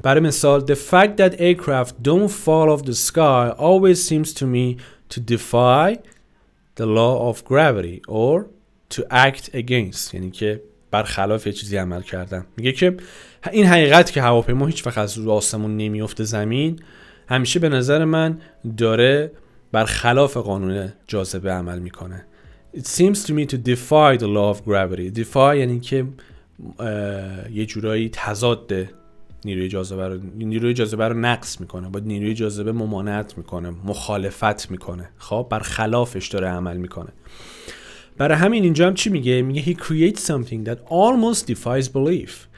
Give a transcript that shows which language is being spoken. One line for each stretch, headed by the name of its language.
English: برای مثال The fact that aircraft don't fall off the sky always seems to me to defy the law of gravity or to act against،
Persian: یعنی که برخلاف یه چیزی عمل کردن. میگه که این حقیقت که هواپیما هیچ وقت از رو آسمون نمیفته زمین همیشه به نظر من داره برخلاف قانون جاذبه عمل میکنه.
English: It seems to me to defy the law of gravity.
Persian: Defy یعنی که یه جورایی تضاد نیروی جاذبه رو، نیروی جاذبه رو نقص میکنه، با نیروی جاذبه ممانعت میکنه، مخالفت میکنه، خب برخلافش داره عمل میکنه. برای همین اینجا هم چی میگه؟ میگه
English: he creates something that almost defies belief.